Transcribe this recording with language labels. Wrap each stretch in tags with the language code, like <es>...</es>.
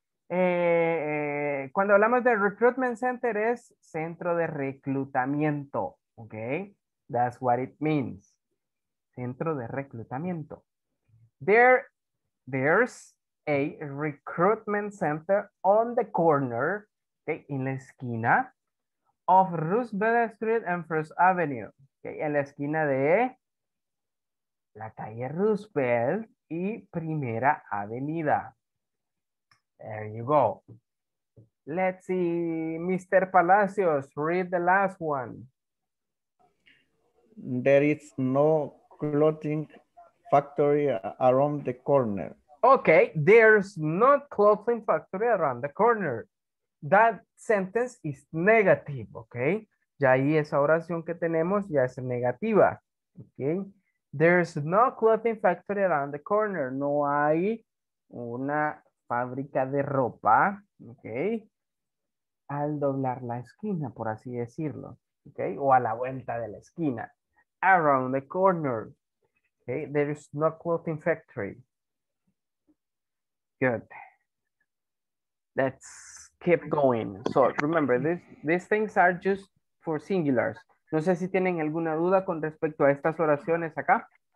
<es>Cuando hablamos de recruitment center es centro de reclutamiento. Okay.</es> <en>That's what it means.</en> <es>Centro de reclutamiento.</es> <en>There's a recruitment center on the corner, okay, in</en> <es>la esquina</es> <en>of Roosevelt Street and First Avenue.</en> <es>Okay, en la esquina de la calle Roosevelt y Primera Avenida.</es> <en>There you go. Let's see, Mr. Palacios, read the last one. There is no clothing factory around the corner. Okay, there's no clothing factory around the corner. That sentence is negative, okay?</en> <es>Ya ahí esa oración que tenemos ya es negativa.</es> <en>Okay. There's no clothing factory around the corner.</en> <es>No hay una fábrica de ropa. Okay. Al doblar la esquina, por así decirlo. Okay. O a la vuelta de la esquina.</es> <en>Around the corner.</en> <es>Okay.</es> <en>There's no clothing factory. Good. Let's keep going. So remember, these things are just for singulars.</en> <es>No sé si tienen alguna duda con respecto a estas oraciones acá.</es>